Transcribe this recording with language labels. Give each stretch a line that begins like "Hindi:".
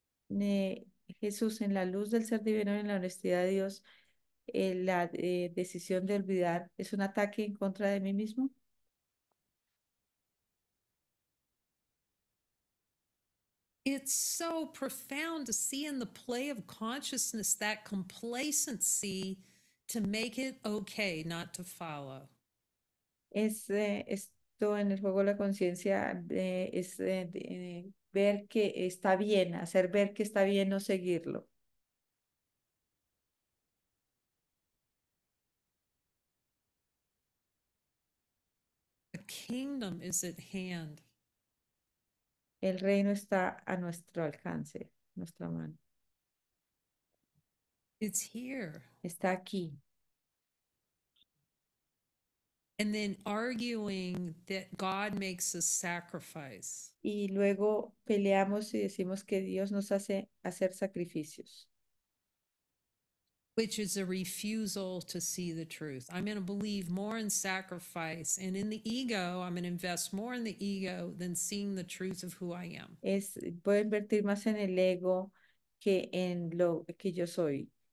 Spanish: Jesús, en la luz del ser divino y en la honestidad de Dios, la decisión de olvidar es un ataque en contra de mí mismo.
English: It's so profound to see in the play of consciousness that complacency to make it okay not to follow.
Spanish: Esto en el juego de la conciencia ver que está bien, hacer ver que está bien no seguirlo.
English: The kingdom is at hand.
Spanish: El reino está a nuestro alcance, nuestra mano.
English: It's here.
Spanish: Está aquí.
English: And then arguing that God makes a sacrifice.
Spanish: Y luego peleamos y decimos que Dios nos hace hacer sacrificios.
English: Which is a refusal to see the truth. I'm going to believe more in sacrifice and in the ego. I'm going to invest more in the ego than seeing the truth of who I am.
Spanish: Voy a invertir más en el ego que en lo que yo soy.